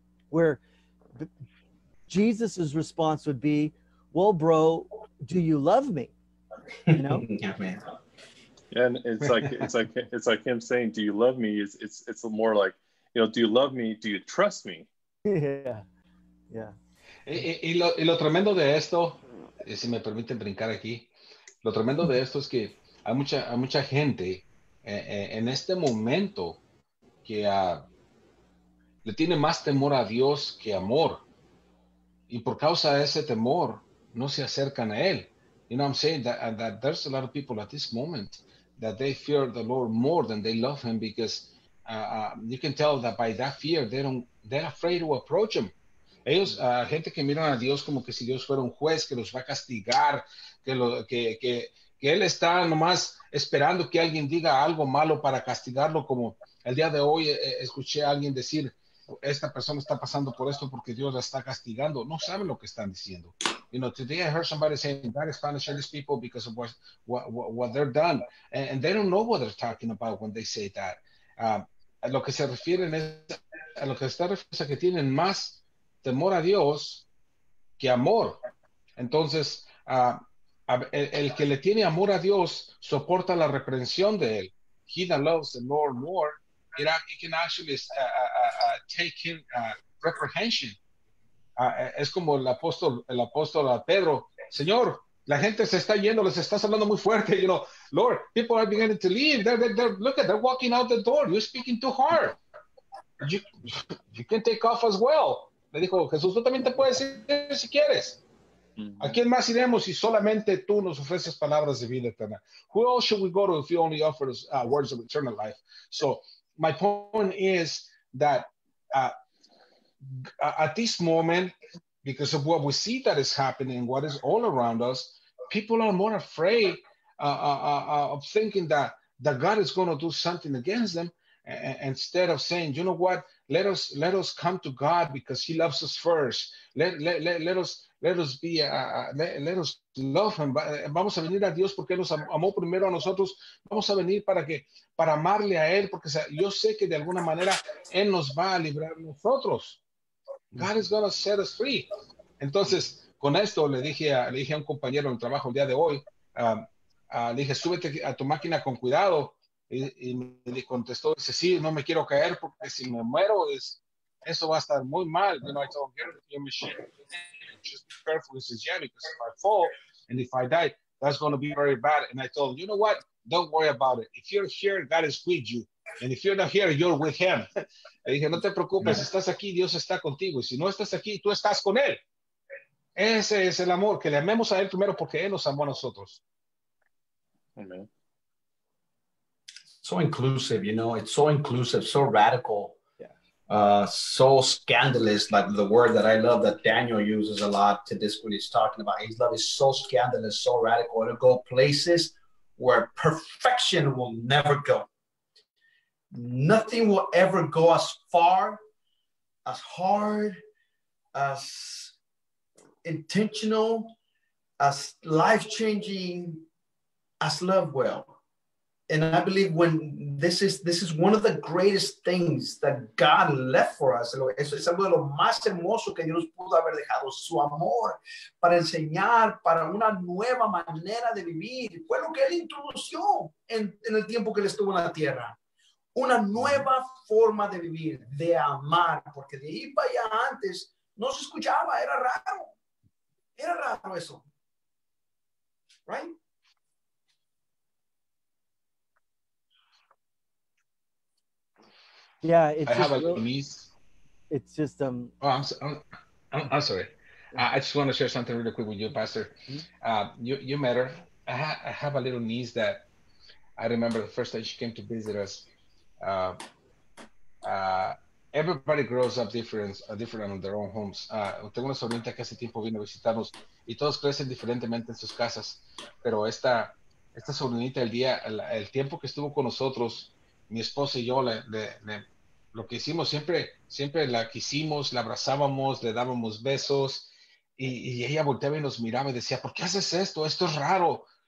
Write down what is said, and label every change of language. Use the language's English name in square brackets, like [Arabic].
[English] Where Jesus's response would be, well, bro, do you love me? You know? Yeah, man. And it's like him saying, do you love me? It's more like, you know, do you love me? Do you trust me? Yeah. Yeah. [Spanish] Y lo tremendo de esto, si me permiten brincar aquí, lo tremendo de esto es que hay mucha gente en este momento que le tiene más temor a Dios que amor, y por causa de ese temor no se acercan a él. [English] You know what I'm saying? That there's a lot of people at this moment that they fear the Lord more than they love him, because you can tell that by that fear they're afraid to approach him. [Spanish] Ellos, gente que miran a Dios como que si Dios fuera un juez que los va a castigar, que él está nomás esperando que alguien diga algo malo para castigarlo, como el día de hoy escuché a alguien decir, esta persona está pasando por esto porque Dios la está castigando. No saben lo que están diciendo. [English] You know, today I heard somebody saying, God is punishing these people because of what they're done. And they don't know what they're talking about when they say that. [Spanish] Lo que se refieren es, a lo que está refiriendo es a que tienen más temor a Dios que amor. Entonces, el que le tiene amor a Dios soporta la reprensión de él. [English] He that loves the Lord more, he can actually take him reprehension. [Spanish] Es como el apóstol Pedro, Señor, la gente se está yendo, les estás hablando muy fuerte, [English] you know, Lord, people are beginning to leave. They're walking out the door. You're speaking too hard. You can take off as well. [Spanish] Le dijo Jesús, tú también te puedes ir si quieres. ¿A quién más iremos si solamente tú nos ofreces palabras de vida eterna? [English] Who else should we go to if you only offer us words of eternal life? So my point is that at this moment, because of what we see that is happening, what is all around us, people are more afraid of thinking that God is going to do something against them, instead of saying, you know what, let us come to God because he loves us first. Let us love him. [Spanish] Vamos a venir a Dios porque él nos amó primero a nosotros. Vamos a venir para amarle a él, porque yo sé que de alguna manera él nos va a librar a nosotros. [English] God is going to set us free. [Spanish] Entonces, con esto le dije a un compañero en el trabajo el día de hoy, le dije, súbete a tu máquina con cuidado. Y me contestó, dice, sí, no me quiero caer porque si me muero, eso va a estar muy mal. [English] You know, I told him, get your machine. Just be careful. He says, yeah, because if I fall and if I die, that's going to be very bad. And I told him, you know what? Don't worry about it. If you're here, God is with you. And if you're not here, you're with him. [Spanish] Le dije, no te preocupes, si estás aquí, Dios está contigo. Y si no estás aquí, tú estás con él. Ese es el amor, que le amemos a él primero porque él nos amó a nosotros. Amen. [English] So inclusive, you know, it's so inclusive, so radical, yeah. So scandalous, like the word that I love that Daniel uses a lot to this, what he's talking about. His love is so scandalous, so radical, it'll go places where perfection will never go. Nothing will ever go as far, as hard, as intentional, as life-changing as love will. And I believe when this is one of the greatest things that God left for us. [Spanish] Es algo de lo más hermoso que Dios pudo haber dejado, su amor, para enseñar, para una nueva manera de vivir. Fue lo que él introdujo en el tiempo que él estuvo en la tierra. Una nueva forma de vivir, de amar, porque de ir para allá antes no se escuchaba, era raro. Era raro eso. [English] Right? Yeah, I just want to share something really quick with you, Pastor. You met her. I have a little niece that I remember the first time she came to visit us. Everybody grows up different in their own homes. [Spanish] Tengo una sobrinita que hace tiempo vino a visitarnos y todos crecen diferentemente en sus casas. Pero esta sobrinita el tiempo que estuvo con nosotros, mi esposa y yo le lo que hicimos, siempre la quisimos, la abrazábamos, le dábamos besos, y ella volteaba y nos miraba y decía, ¿por qué haces esto? Esto es raro.